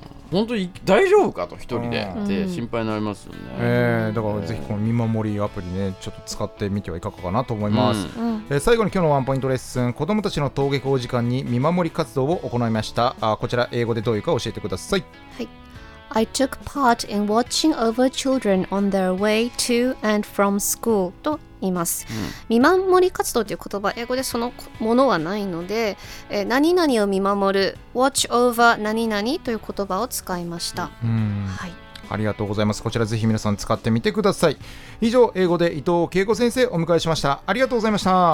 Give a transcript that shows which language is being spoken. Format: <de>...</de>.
<ja>本当に大丈夫かと一人でって心配になりますよね。うん、だからぜひこの見守りアプリね、ちょっと使ってみてはいかがかなと思います。うん、最後に今日のワンポイントレッスン、子どもたちの登下校時間に見守り活動を行いました。あ、こちら英語でどういうか教えてください。はい、</ja> <en>I took part in watching over children on their way to and from school</en> <ja>と言います。うん、見守り活動という言葉、英語でそのものはないので、何々を見守る、</ja> <en>watch over</en> <ja>何々という言葉を使いました。はい、ありがとうございます。こちらぜひ皆さん使ってみてください。以上、英語で伊藤恵子先生お迎えしました。ありがとうございました。</ja>